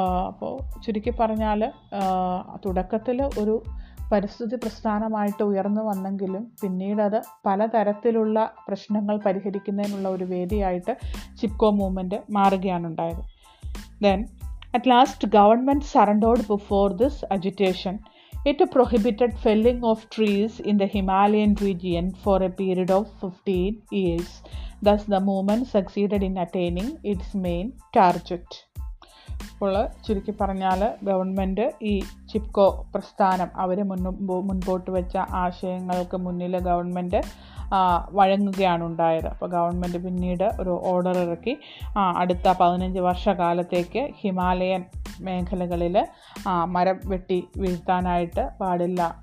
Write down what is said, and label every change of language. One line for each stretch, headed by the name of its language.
Malayalam: അപ്പോൾ ചുരുക്കി പറഞ്ഞാൽ തുടക്കത്തിൽ ഒരു പരിസ്ഥിതി പ്രസ്ഥാനമായിട്ട് ഉയർന്നു വന്നെങ്കിലും പിന്നീടത് പലതരത്തിലുള്ള പ്രശ്നങ്ങൾ പരിഹരിക്കുന്നതിനുള്ള ഒരു വേദിയായിട്ട് ചിപ്കോ മൂവ്മെൻറ്റ് മാറുകയാണ് ഉണ്ടായത്.
English: Then at last government surrendered before this agitation. It prohibited felling of trees in the Himalayan region for a period of 15 years. Thus the movement succeeded in attaining its main target.
Malayalam: ഇപ്പോൾ ചുരുക്കി പറഞ്ഞാൽ government ഈ ചിപ്കോ പ്രസ്ഥാനം അവരെ മുൻപോട്ട് വെച്ച ആശയങ്ങൾക്ക് മുന്നിൽ ഗവൺമെൻറ് വഴങ്ങുകയാണ് ഉണ്ടായത്. അപ്പോൾ ഗവൺമെൻറ് പിന്നീട് ഒരു ഓർഡർ ഇറക്കി അടുത്ത 15 വർഷകാലത്തേക്ക് ഹിമാലയൻ മേഖലകളിൽ മരം വെട്ടി വീഴ്ത്താനായിട്ട് പാടില്ല.